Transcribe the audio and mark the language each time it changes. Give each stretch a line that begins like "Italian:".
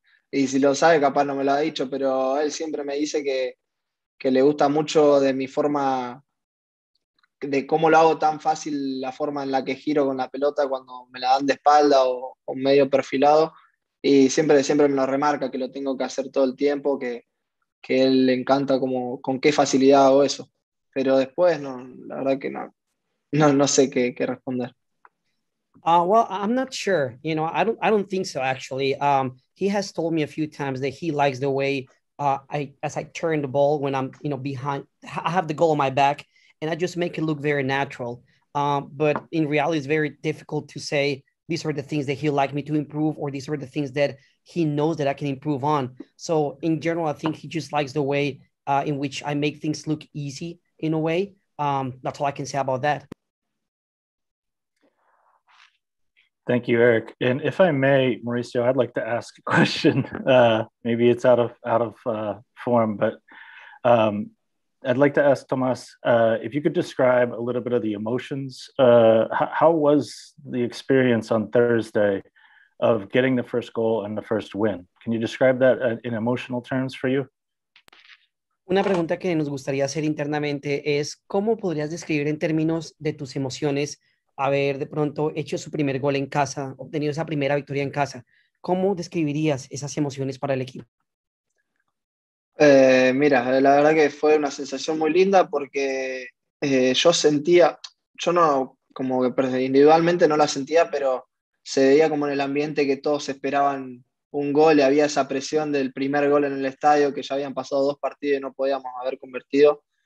Spanish: Y si lo sabe, capaz no me lo ha dicho, pero él siempre me dice que le gusta mucho de mi forma, de cómo lo hago tan fácil, la forma en la que giro con la pelota cuando me la dan de espalda o medio perfilado. Y siempre me lo remarca, que lo tengo que hacer todo el tiempo, que él le encanta como con qué facilidad hago eso. Pero después, no, la verdad que no sé qué responder.
English: Well, I'm not sure. You know, I don't think so, actually. He has told me a few times that he likes the way I turn the ball when I'm, you know, behind. I have the goal on my back and I just make it look very natural. But in reality, it's very difficult to say these are the things that he'd like me to improve or these are the things that he knows that I can improve on. So in general, I think he just likes the way in which I make things look easy in a way. That's all I can say about that. Thank you, Eric. And if I may, Mauricio, I'd like to ask a question. Maybe it's out of form, but I'd like to ask Tomas, if you could describe a little bit of the emotions. How was the experience on Thursday of getting the first goal and the first win? Can you describe that in emotional terms for you?
Spanish: Una pregunta que nos gustaría hacer internamente es, ¿cómo podrías describir en términos de tus emociones haber de pronto hecho su primer gol en casa, obtenido esa primera victoria en casa? ¿Cómo describirías esas emociones para el equipo? Mira, la verdad que fue una sensación muy linda porque yo sentía, yo no, como que individualmente no la sentía, pero se veía como en el ambiente que todos esperaban un gol y había esa presión del primer gol en el estadio, que ya habían pasado dos partidos y no podíamos haber convertido.